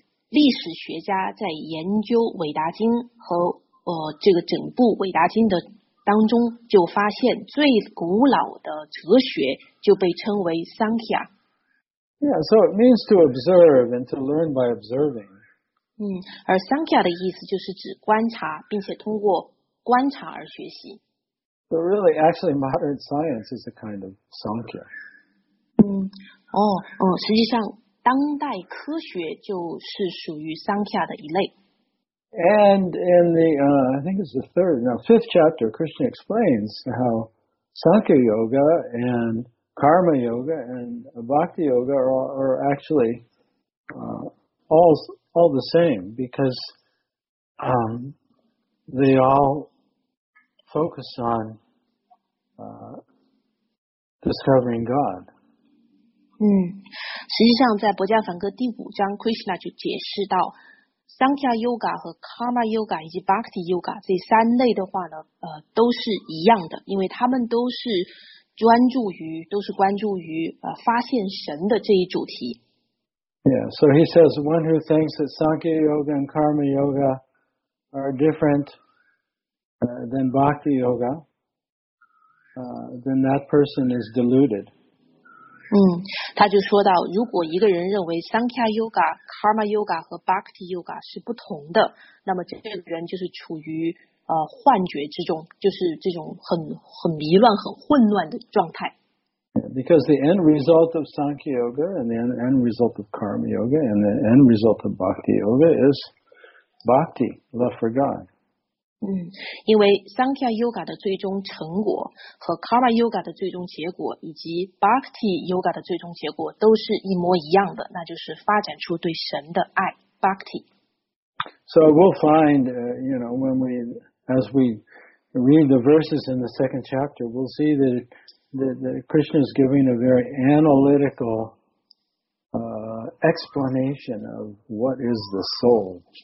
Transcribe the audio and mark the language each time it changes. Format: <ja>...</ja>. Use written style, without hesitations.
<zh>历史学家在研究韦达经和这个整部韦达经的当中，就发现最古老的哲学就被称为 Sankhya.</zh> <en>Yeah, so it means to observe and to learn by observing.</en> <zh>而 Sankhya 的意思就是指观察，并且通过观察而学习。</zh> <en>So really, actually, modern science is a kind of Sankhya.</en> <zh>实际上当代科学就是属于 Sankhya 的一类。</zh> <en>And in the, I think it's the fifth chapter, Krishna explains how Sankhya Yoga and Karma Yoga and Bhakti Yoga are actually all the same because they all focus on discovering God.</en> <zh>实际上在《薄伽梵歌》第五章 ，Krishna 就解释到 ，Sankhya Yoga 和 Karma Yoga 以及 Bhakti Yoga 这三类的话呢，都是一样的，因为他们都是。都是关注于发现神的这一主题。</zh> <en>Yeah, so he says one who thinks that Sankhya Yoga and Karma Yoga are different than Bhakti Yoga, then that person is deluded.</en> <zh>他就说到，如果一个人认为 Sankhya Yoga、Karma Yoga 和 Bhakti Yoga 是不同的，那么这个人就是处于幻觉之中，就是这种很迷乱、很混乱的状态。</zh> <en>Because the end result of Sankhya Yoga and the end result of Karma Yoga and the end result of Bhakti Yoga is Bhakti, love for God.</en> <zh>因为 Sankhya Yoga 的最终成果和 Karma Yoga 的最终结果以及 Bhakti Yoga 的最终结果都是一模一样的，那就是发展出对神的爱 ，Bhakti。</zh> <en>So we'll find, you know, when we, as we read the verses in the second chapter, we'll see that Krishna is giving a very analytical explanation of what is the soul.</en>